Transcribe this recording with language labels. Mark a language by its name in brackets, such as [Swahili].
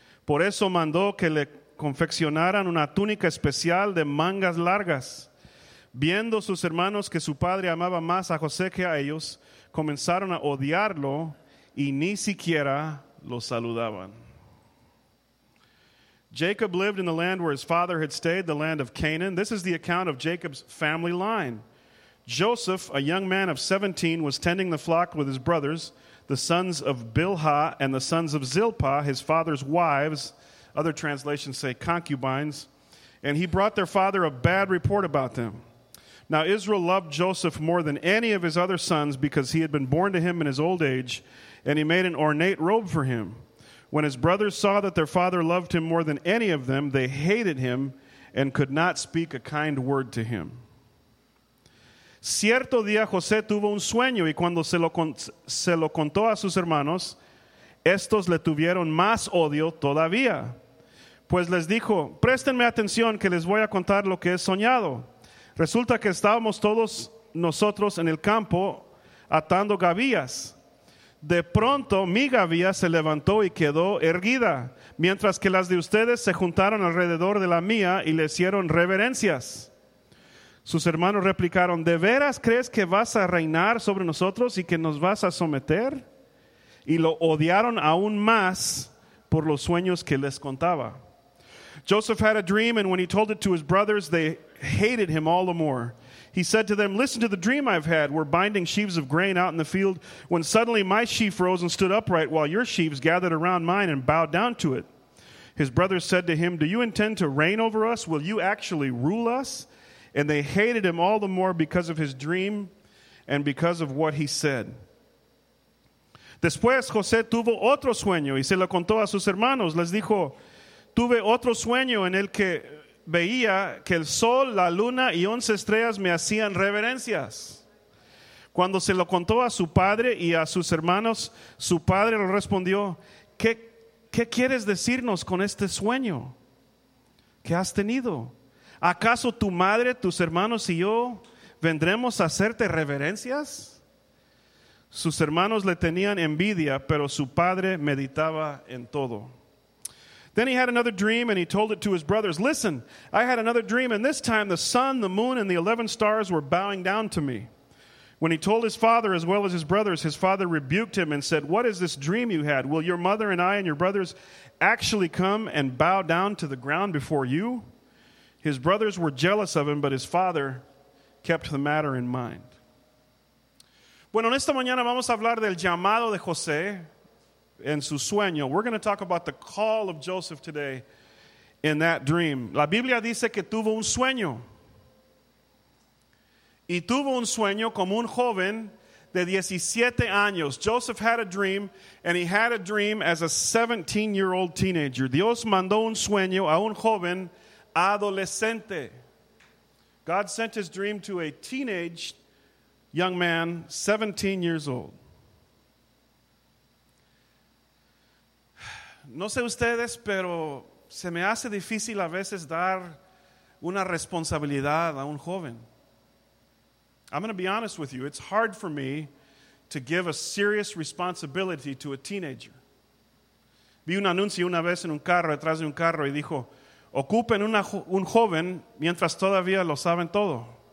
[Spanish] Por eso mandó que le confeccionaran una túnica especial de mangas largas. Viendo sus hermanos que su padre amaba más a José que a ellos, comenzaron a odiarlo y ni siquiera lo saludaban. [English] Jacob lived in the land where his father had stayed, the land of Canaan. This is the account of Jacob's family line. Joseph, a young man of 17, was tending the flock with his brothers, the sons of Bilhah and the sons of Zilpah, his father's wives, other translations say concubines, and he brought their father a bad report about them. Now Israel loved Joseph more than any of his other sons because he had been born to him in his old age, and he made an ornate robe for him. When his brothers saw that their father loved him more than any of them, they hated him and could not speak a kind word to him. [Spanish] Cierto día José tuvo un sueño, y cuando se lo contó a sus hermanos, estos le tuvieron más odio todavía. Pues les dijo, préstenme atención que les voy a contar lo que he soñado. Resulta que estábamos todos nosotros en el campo atando gavillas. De pronto, mi gavilla se levantó y quedó erguida, mientras que las de ustedes se juntaron alrededor de la mía y le hicieron reverencias. Sus hermanos replicaron, ¿de veras crees que vas a reinar sobre nosotros y que nos vas a someter? Y lo odiaron aún más por los sueños que les contaba. [English] Joseph had a dream, and when he told it to his brothers, they hated him all the more. He said to them, listen to the dream I've had. We're binding sheaves of grain out in the field when suddenly my sheaf rose and stood upright while your sheaves gathered around mine and bowed down to it. His brothers said to him, do you intend to reign over us? Will you actually rule us? And they hated him all the more because of his dream and because of what he said. [Spanish] Después, José tuvo otro sueño y se lo contó a sus hermanos. Les dijo, tuve otro sueño en el que veía que el sol, la luna y 11 estrellas me hacían reverencias. Cuando se lo contó a su padre y a sus hermanos, su padre le respondió, ¿Qué quieres decirnos con este sueño que has tenido? ¿Acaso tu madre, tus hermanos y yo vendremos a hacerte reverencias? Sus hermanos le tenían envidia, pero su padre meditaba en todo. [English] Then he had another dream, and he told it to his brothers. Listen, I had another dream, and this time the sun, the moon, and the 11 stars were bowing down to me. When he told his father as well as his brothers, his father rebuked him and said, what is this dream you had? Will your mother and I and your brothers actually come and bow down to the ground before you? His brothers were jealous of him, but his father kept the matter in mind. [Spanish] Bueno, en esta mañana vamos a hablar del llamado de José en su sueño. [English] We're going to talk about the call of Joseph today in that dream. [Spanish] La Biblia dice que tuvo un sueño. Y tuvo un sueño como un joven de 17 años. [English] Joseph had a dream, and he had a dream as a 17-year-old teenager. [Spanish] Dios mandó un sueño a un joven adolescente. [English] God sent his dream to a teenage young man, 17 years old. [Spanish] No sé ustedes, pero se me hace difícil a veces dar una responsabilidad a un joven. [English] I'm going to be honest with you. It's hard for me to give a serious responsibility to a teenager. [Spanish] Vi un anuncio una vez en un carro, detrás de un carro, y dijo, ocupen un joven mientras todavía lo saben todo.